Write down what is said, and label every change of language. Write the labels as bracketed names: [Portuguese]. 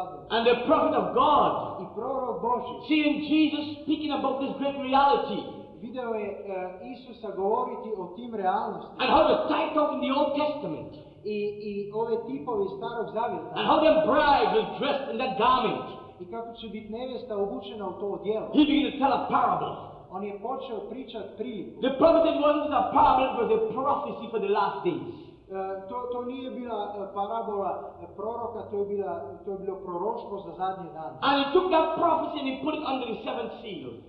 [English] And the prophet of God, [Croatian] i prorok Boži, [English] seeing Jesus speaking about this great reality, [Croatian] video je Isusa govoriti o tim realnostima, [English] and how the type of in the Old Testament, [Croatian] i ove tipovi starog zavjeta, [English] and how the bride was dressed in that garment, [Croatian] i kako će biti nevjesta obučena u to odjelo, [English] he began to tell a parable. [Croatian] On je počeo pričati priliku. [English] The prophet wasn't a parable, but a prophecy for the last days. [Croatian] To nije bila parabola proroka, to je bilo proroštvo za zadnje dane. [English] And he took that prophecy and he put it under the seventh seal.